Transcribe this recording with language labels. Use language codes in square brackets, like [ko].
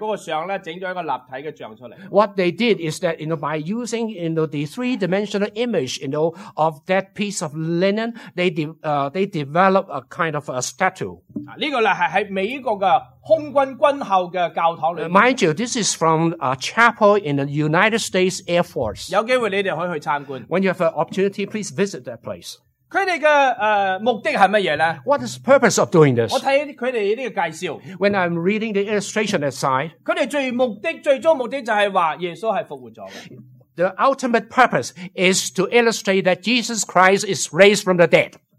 [en] What they did is that, you know, by using, you know, the three-dimensional image, you know, of that piece of linen, they developed a kind of a statue. [zh] 这个是在美国的空军军校的教堂里面。 [en] Mind you, this is from a chapel in the United States Air Force. [zh] 有机会你们可以去参观。 [en] When you have an opportunity, please visit that place. [zh] 他们的目的是什么呢? [en] What is the purpose of doing this? [zh] 我看他们的介绍, [en] when I'm reading the illustration aside, [zh] 他们最终目的就是说耶稣是复活了。 [en] The ultimate purpose is to illustrate that Jesus Christ is raised from the dead.